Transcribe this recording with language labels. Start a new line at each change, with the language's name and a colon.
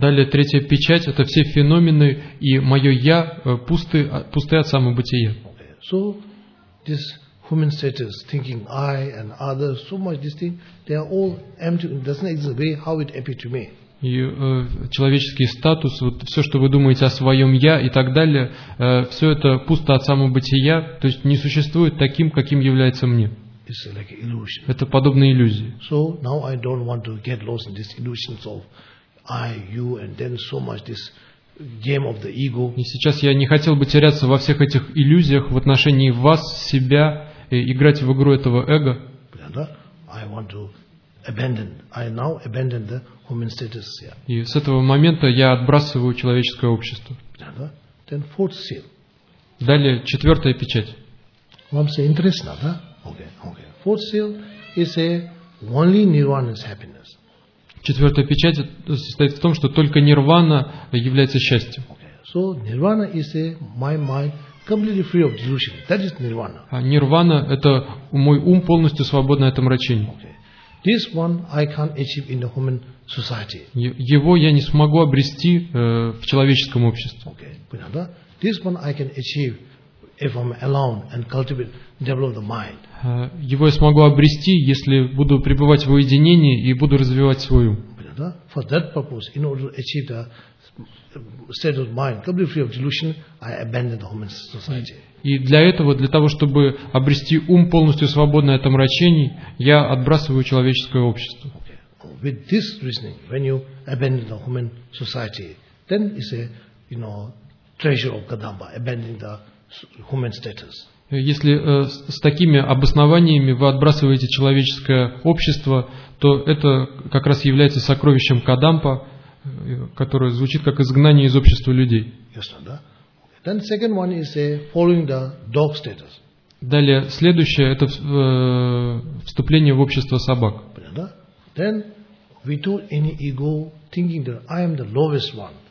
Russian: Далее третья печать — это все феномены и мое я пусты от самобытия.
English: So this human status, thinking I and others, so much this thing, they are all empty. Doesn't exist. Way how it appears to me.
Russian: И человеческий статус, вот все, что вы думаете о своем я и так далее, все это пусто от самобытия, то есть не существует таким, каким является мне.
English: It's like an illusion.
Russian: Это подобные иллюзии.
English: So now I don't want to get lost in these illusions of I, you, and then so much this game of the ego.
Russian: И сейчас я не хотел бы теряться во всех этих иллюзиях в отношении вас, себя, и играть в игру этого эго.
English: I want to abandon. I now abandon the human status. Yeah.
Russian: И с этого момента я отбрасываю человеческое общество.
English: Then fourth seal.
Russian: Далее четвертая печать. Вам все интересно, да?
English: Okay, okay. Fourth seal is a only nirvana is happiness.
Russian: Четвертая печать состоит в том, что только нирвана является счастьем.
English: So nirvana is a my mind completely free of delusion. That is nirvana.
Russian: Нирвана — это мой ум полностью свободный от омрачений.
English: Okay. This one I can't achieve in the human society.
Russian: Его я не смогу обрести в человеческом обществе.
English: Okay. This one I can achieve if I'm alone and cultivate, develop the mind.
Russian: Его я смогу обрести, если буду пребывать в уединении и буду развивать свою.
English: For that purpose, in order to achieve the state of mind completely free of delusion, I abandon the human society.
Russian: И для этого, для того, чтобы обрести ум полностью свободный от омрачений, я отбрасываю человеческое общество.
English: Okay. With this reasoning, when you abandon the human society, then it's a, you know, treasure of Kadamba, abandoning the human status.
Russian: Если с такими обоснованиями вы отбрасываете человеческое общество, то это как раз является сокровищем Кадампа, которое звучит как изгнание из общества людей.
English: Then second one is following the dog status.
Russian: Далее следующее — это вступление в общество собак.
English: Then we do any ego thinking that I am the lowest one.